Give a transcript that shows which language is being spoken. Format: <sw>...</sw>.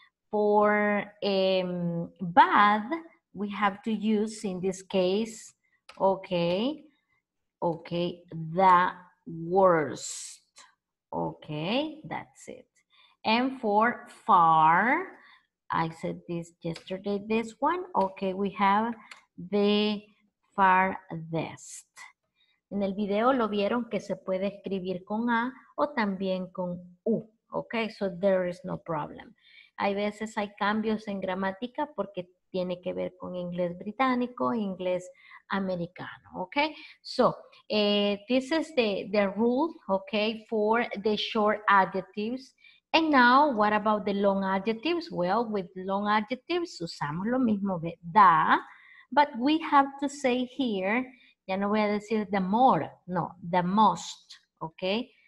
<en>For bad, we have to use in this case, okay, the worst, okay? That's it. And for far, I said this yesterday, this one. Okay, we have the farthest.</en> <es>En el video lo vieron que se puede escribir con A o también con U.</es> <en>Okay, so there is no problem.</en> <es>Hay veces hay cambios en gramática porque tiene que ver con inglés británico, inglés americano.</es> <en>Okay, so this is the rule, okay, for the short adjectives. And now, what about the long adjectives? Well, with long adjectives,</en> <es>usamos lo mismo,</es> <en>the, but we have to say here,</en> <es>ya no voy a decir</es> <en>the more, no, the most, okay?</en>